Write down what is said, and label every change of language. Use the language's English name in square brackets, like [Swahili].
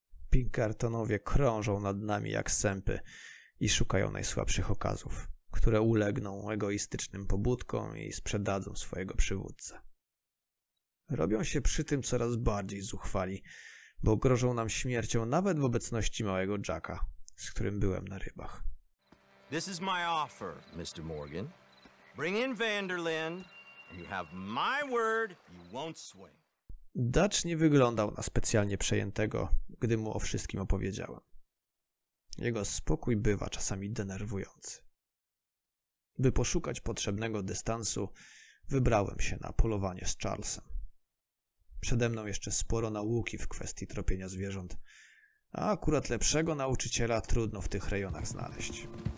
[Polish] Pinkertonowie krążą nad nami jak sępy i szukają najsłabszych okazów, które ulegną egoistycznym pobudkom i sprzedadzą swojego przywódcę. Robią się przy tym coraz bardziej zuchwali, bo grożą nam śmiercią nawet w obecności małego Jacka, z którym byłem na rybach. [English] This is my offer, Mr. Morgan. Bring in Vanderlyn. You have my word, you won't swing. [Polish] Dutch nie wyglądał na specjalnie przejętego, gdy mu o wszystkim opowiedziałem. Jego spokój bywa czasami denerwujący. By poszukać potrzebnego dystansu, wybrałem się na polowanie z Charlesem. Przede mną jeszcze sporo nauki w kwestii tropienia zwierząt. A akurat lepszego nauczyciela trudno w tych rejonach znaleźć.